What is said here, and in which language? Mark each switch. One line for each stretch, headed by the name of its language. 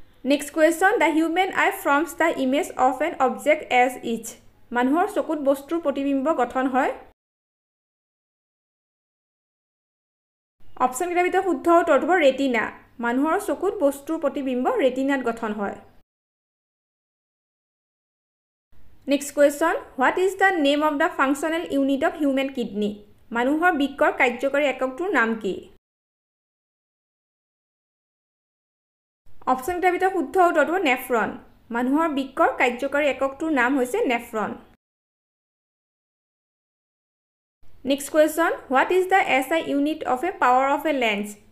English: Next question, the human eye forms the image of an object as is.
Assamese: মানুহৰ চকুত বস্তুৰ প্ৰতিবিম্ব গঠন হয়? অপশ্যনকেইটাৰ ভিতৰত শুদ্ধ উত্তৰটো হ'ব ৰেটিনা। মানুহৰ চকুত বস্তুৰ প্ৰতিবিম্ব ৰেটিনাত গঠন হয়।
English: Next question, what is the name of the functional unit of human kidney.
Assamese: মানুহৰ বৃক্কৰ কাৰ্যকৰী এককটোৰ নাম কি? অপশ্যনকেইটাৰ ভিতৰত শুদ্ধ উত্তৰটো নেফ্ৰন। মানুহৰ বৃক্কৰ কাৰ্যকৰী এককটোৰ নাম হৈছে nephron.
English: Next question, what is the S I unit of a power of a lens.